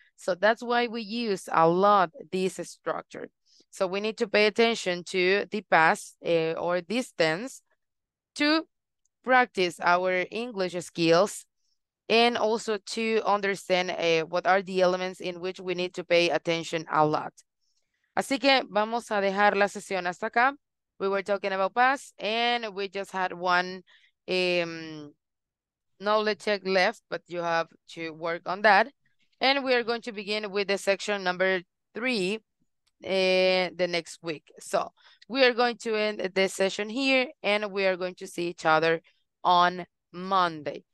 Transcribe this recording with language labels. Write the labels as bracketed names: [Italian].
[English] So that's why we use a lot this structure. So we need to pay attention to the past or distance to practice our English skills and also to understand what are the elements in which we need to pay attention a lot. [Spanish] Así que vamos a dejar la sesión hasta acá. [English] We were talking about past and we just had one knowledge check left, but you have to work on that. And we are going to begin with the section number 3 the next week. So we are going to end the session here and we are going to see each other on Monday.